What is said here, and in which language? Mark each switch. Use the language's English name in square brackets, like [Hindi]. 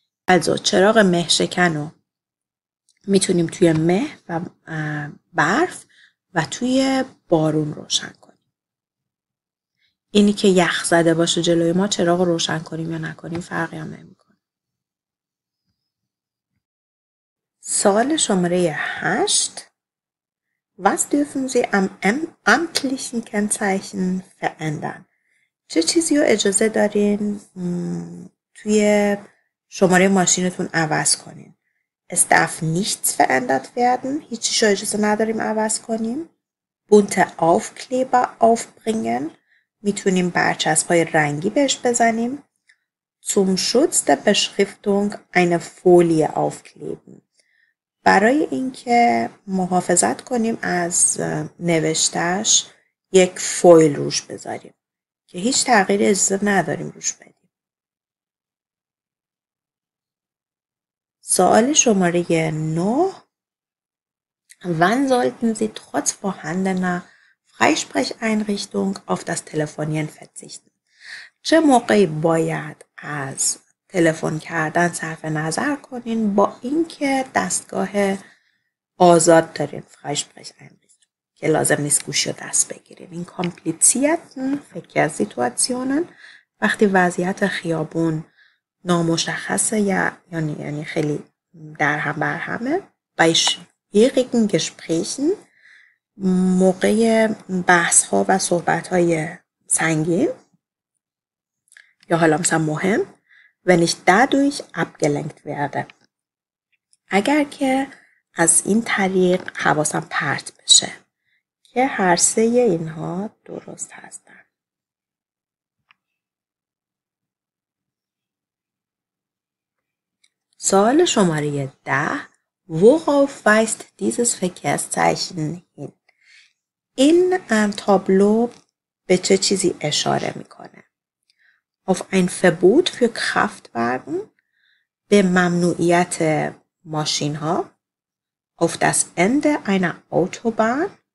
[Persian] also چراغ مه شکن رو میتونیم توی مه و برف و توی بارون روشن کنیم. اینی که یخ زده باشه جلوی ما چراغ روشن کنیم یا نکنیم فرقی هم نمی. سوال شماره 8: [German] Was dürfen Sie am amtlichen Kennzeichen verändern? [Persian] چه چیزی رو اجازه دارین توی شماره ماشینتون عوض کنین؟ [German] Es darf nichts verändert werden. [Persian] هیچی شو اجازه نداریم عوض کنیم. [German] Bunte Aufkleber aufbringen. [Persian] میتونیم برچسب‌های رنگی بهش بزنیم. [German] Zum Schutz der Beschriftung eine Folie aufkleben. [Persian] برای اینکه محافظت کنیم از نوشتش یک فویل روش بذاریم که هیچ تغییر اجازه نداریم روش بدیم. سوال شماره 9: [German] Wann sollten Sie trotz vorhandener Freisprecheinrichtung auf das Telefonieren verzichten? [Persian] چه موقعی باید از تلفن کردن صرف نظر کنین با اینکه دستگاه آزاد دارین فرایشپرش انریشت که لازم نیست گوشی رو دست بگیرین؟ [German] این کامپلیسیتن فکر از سیتواسیونن، [Persian] وقتی وضعیت خیابون نامشخصه یعنی خیلی در هم برهمه. [German] بای شویقیگن گشپریشن، [Persian] موقع بحث ها و صحبت های سنگین یا حالا مثلا مهم. [German] Wenn ich dadurch abgelenkt werde. [Persian] اگر که از این طریق حواسم پرت بشه که هر سه اینها درست هستن. سوال شماره 10: [German] worauf weist dieses Verkehrszeichen hin؟ [Persian] این تابلو به چه چیزی اشاره میکنه؟ [German] auf ein Verbot für Kraftwagen، [Persian] به ممنوعیت ماشین ها، [German] auf das Ende einer Autobahn،